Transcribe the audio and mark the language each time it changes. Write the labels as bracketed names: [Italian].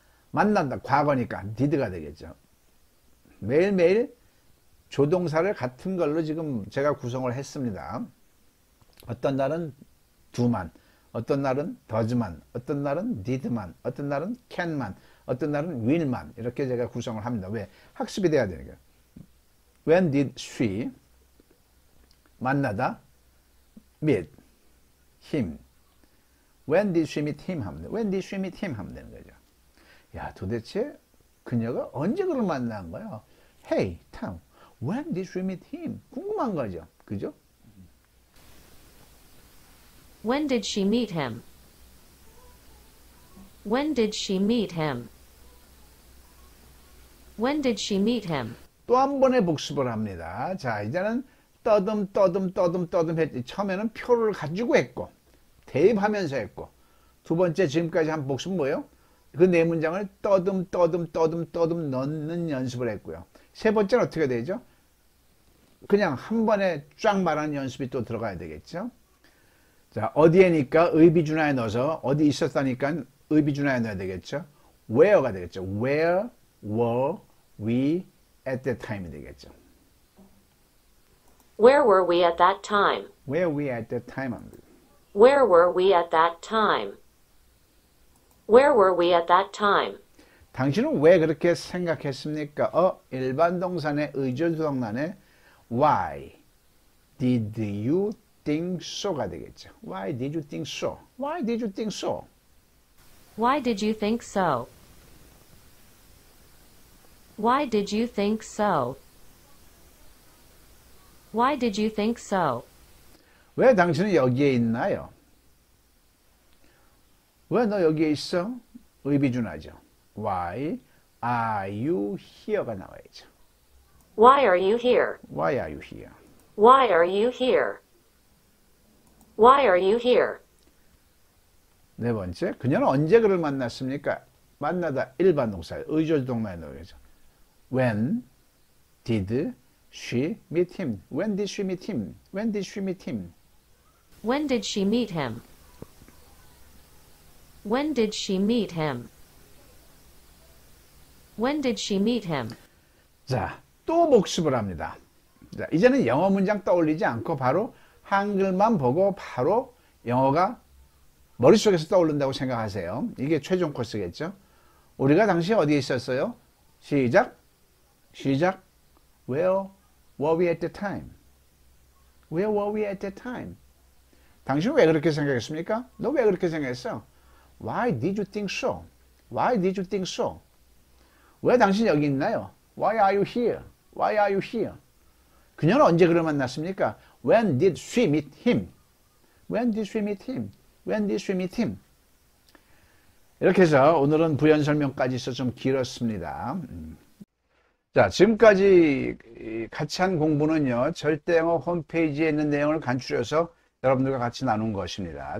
[Korean] 만난다 과거니까 did가 되겠죠. 매일매일 조동사를 같은 걸로 지금 제가 구성을 했습니다. 어떤 날은 do만, 어떤 날은 does만, 어떤 날은 did만, 어떤 날은 can만, 어떤 날은 will만 이렇게 제가 구성을 합니다. 왜? 학습이 돼야 되는 거예요. [English] When did she 만나다 meet him? When did she meet him? [Korean] 하면 돼. [English] When did she meet him? [Korean] 하면 되는 거죠. 야, 도대체 그녀가 언제 그를 만난 거야? [English] Hey, Tom, when did she meet him? [Korean] 궁금한 거죠. 그죠? [English] When did she meet him? When did she meet him? When did she meet him? [Korean] 또한 번의 복습을 합니다. 자, 이제는 떠듬 떠듬 떠듬 떠듬 했지. 처음에는 표를 가지고 했고 대입하면서 했고 두 번째 지금까지 한 복습은 뭐예요? 그네 문장을 떠듬 떠듬 떠듬 떠듬 넣는 연습을 했고요. 세 번째는 어떻게 되죠? 그냥 한 번에 쫙 말하는 연습이 또 들어가야 되겠죠? 자, 어디에니까 의비준화에 넣어서 어디 있었다니까 의비준화에 넣어야 되겠죠? Where가 되겠죠? [English] Where were we at that time [Korean] 이 되겠죠. [English] Where were we at that time? Where we at that time? Where were we at that time? Where were we at that time? [Korean] 당신은 왜 그렇게 생각했습니까? 일반 동사네, 의존성나네. [English] Why did you think so가 [Korean] 되겠죠. [English] Why did you think so? Why did you think so? Why did you think so? Why did you think so? Why did you think so? [Korean] 왜 당신은 여기에 있나요? 왜너 여기에 있어? 의비준화죠. [English] Why are you here가 [Korean] 나와야죠. [English] Why are you here? Why are you here? Why are you here? Why are you here? [Korean] 네 번째, 그녀는 언제 그를 만났습니까? 만나다 일반 동사, 의조동사에 넣어야죠. [English] When did she meet him? When did she meet him? When did she meet him? When did she meet him? When did she meet him? When did she meet him? [Korean] 자, 또 복습을 합니다. 자, 이제는 영어 문장 떠올리지 않고 바로 한글만 보고 바로 영어가 머릿속에서 떠오른다고 생각하세요. 이게 최종 코스겠죠? 우리가 당시 어디에 있었어요? 시작. 시작. [English] Where were we at the time? Where were we at the time? [Korean] 당신은 왜 그렇게 생각했습니까? 너왜 그렇게 생각했어? [English] Why did you think so? Why did you think so? [Korean] 왜 당신 여기 있나요? [English] Why are you here? Why are you here? [Korean] 그녀는 언제 그를 만났습니까? [English] When did she meet him? When did she meet him? When did she meet him? [Korean] 이렇게 해서 오늘은 부연 설명까지 해서 좀 길었습니다. 자, 지금까지 같이 한 공부는요, 절대영어 홈페이지에 있는 내용을 간추려서 여러분들과 같이 나눈 것입니다.